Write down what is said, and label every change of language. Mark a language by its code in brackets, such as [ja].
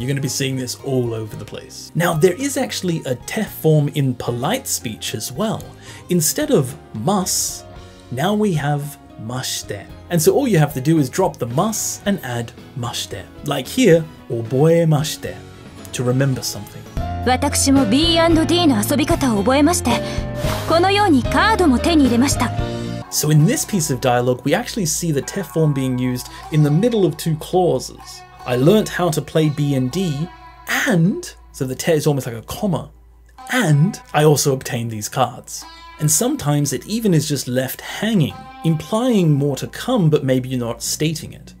[en] You're going to be seeing this all over the place. Now, there is actually a te form in polite speech as well. Instead of mus, now we have mashite. And so all you have to do is drop the mus and add mashite. Like here, oboemashite, to remember something. [ja] 私も B&D の遊び方を覚えまして、このようにカードも手に入れました。 [en] So in this piece of dialogue, we actually see the te form being used in the middle of two clauses. I learnt how to play B&D, and, so the te is almost like a comma, and I also obtained these cards. And sometimes it even is just left hanging, implying more to come, but maybe you're not stating it.